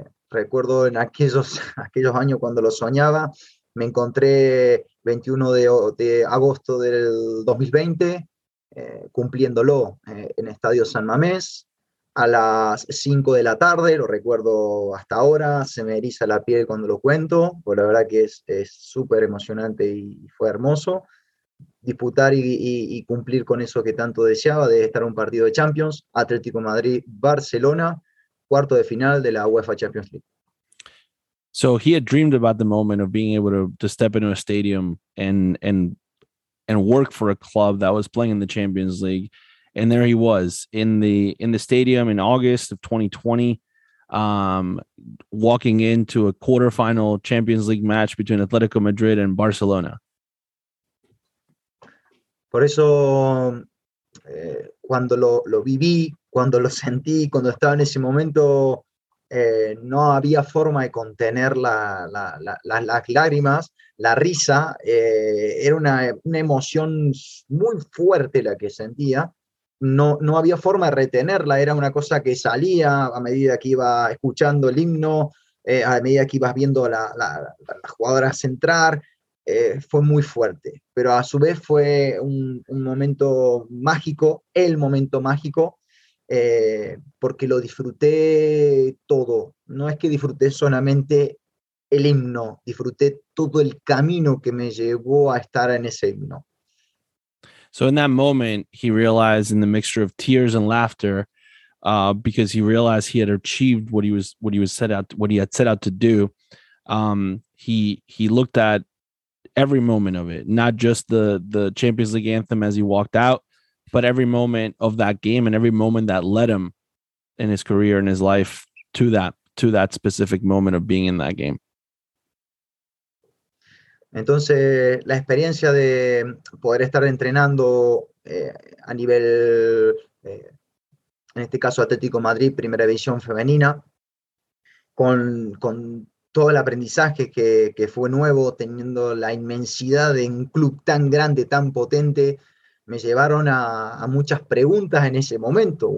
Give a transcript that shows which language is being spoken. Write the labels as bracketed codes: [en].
[es] Recuerdo en aquellos años cuando lo soñaba, me encontré 21 de agosto del 2020, cumpliéndolo en Estadio San Mamés, a las 5 de la tarde, lo recuerdo hasta ahora, se me eriza la piel cuando lo cuento, pero la verdad que es súper emocionante y fue hermoso disputar y cumplir con eso que tanto deseaba, de estar en un partido de Champions, Atlético Madrid-Barcelona, cuarto de final de la UEFA Champions League. [en] So he had dreamed about the moment of being able to step into a stadium and work for a club that was playing in the Champions League. And there he was in the stadium in August of 2020, walking into a quarterfinal Champions League match between Atlético Madrid and Barcelona. [es] Por eso cuando lo viví, cuando lo sentí, cuando estaba en ese momento, no había forma de contener las lágrimas, la risa, era una emoción muy fuerte la que sentía, no había forma de retenerla, era una cosa que salía a medida que iba escuchando el himno, a medida que ibas viendo las jugadoras entrar. Fue muy fuerte, pero a su vez fue un momento mágico, el momento mágico, porque lo disfruté todo. No es que disfruté solamente el himno, disfruté todo el camino que me llevó a estar en ese himno. [en] So in that moment, he realized in the mixture of tears and laughter, because he realized he had achieved what he had set out to do. He looked at every moment of it, not just the Champions League anthem as he walked out, but every moment of that game and every moment that led him in his career and his life to that specific moment of being in that game. [es] Entonces, la experiencia de poder estar entrenando a nivel, en este caso Atlético Madrid, Primera División Femenina, con todo el aprendizaje que fue nuevo, teniendo la inmensidad de un club tan grande, tan potente, me llevaron a muchas preguntas en ese momento.